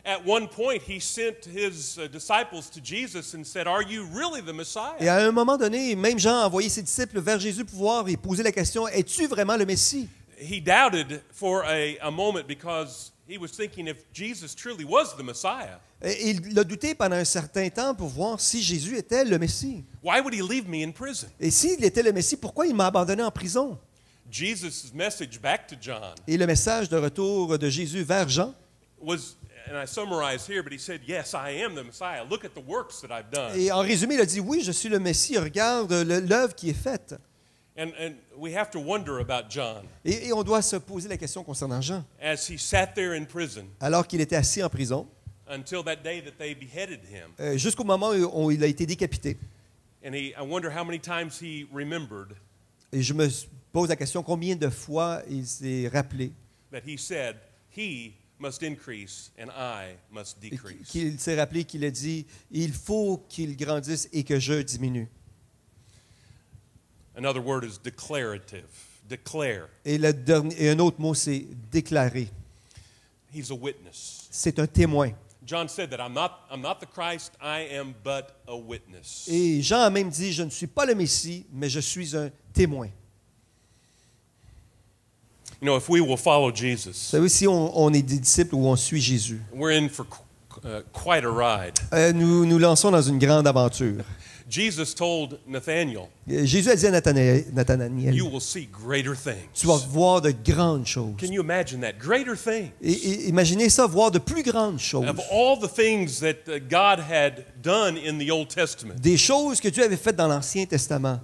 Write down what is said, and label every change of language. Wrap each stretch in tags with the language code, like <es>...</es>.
<en>At one point, he sent his disciples to Jesus and said, "Are you really the Messiah?"</en> <fr>Et à un moment donné, même Jean a envoyé ses disciples vers Jésus pour voir et poser la question, "Es-tu vraiment le Messie?"</fr> <en>He doubted for a moment because he was thinking if Jesus truly was the Messiah.</en> <fr>Et il l'a douté pendant un certain temps pour voir si Jésus était le Messie.</fr> <en>Why would he leave me in prison?</en> <fr>Et s'il était le Messie, pourquoi il m'a abandonné en prison?</fr> <en>Jesus' message back to John.</en> <fr>Et le message de retour de Jésus vers Jean.</fr> <en>Was, and I summarize here, but he said, "Yes, I am the Messiah. Look at the works that I've done."</en> <fr>Et en résumé, il a dit, oui, je suis le Messie. Regarde l'œuvre qui est faite.</fr> <en>And we have to wonder about John.</en> <fr>Et on doit se poser la question concernant Jean.</fr> <en>As he sat there in prison.</en> <fr>Alors qu'il était assis en prison.</fr> <en>Until that day that they beheaded him.</en> <fr>Jusqu'au moment où il a été décapité.</fr> <en>And I wonder how many times he remembered.</en> <fr>Et je me pose la question, combien de fois il s'est rappelé</fr> <en>that he said, he must increase and I must decrease.</en> <fr>Qu'il s'est rappelé qu'il a dit, il faut qu'il grandisse et que je diminue.</fr> <en>Another word is declarative. Declare.</en> <fr>Et un autre mot, c'est déclarer.</fr> <en>He's a witness.</en> <fr>C'est un témoin.</fr> <en>John said that I'm not the Christ, I am but a witness.</en> <fr>Et Jean a même dit, je ne suis pas le Messie, mais je suis un témoin.</fr> <en>You know, if we will follow Jesus,</en> <fr>vous savez, si on est des disciples ou on suit Jésus,</fr> <en>we're in for quite a ride.</en> <fr>Nous lançons dans une grande aventure.</fr> <en>Jesus told Nathaniel,</en> <fr>Jésus a dit à Nathanaël,</fr> <en>you will see greater things.</en> <fr>Tu vas voir de grandes choses.</fr> <en>Can you imagine that? Greater things.</en> <fr>Imaginez ça, voir de plus grandes choses.</fr> <en>Of all the things that God had done in the Old Testament.</en> <fr>Des choses que Dieu avait faites dans l'Ancien Testament.</fr>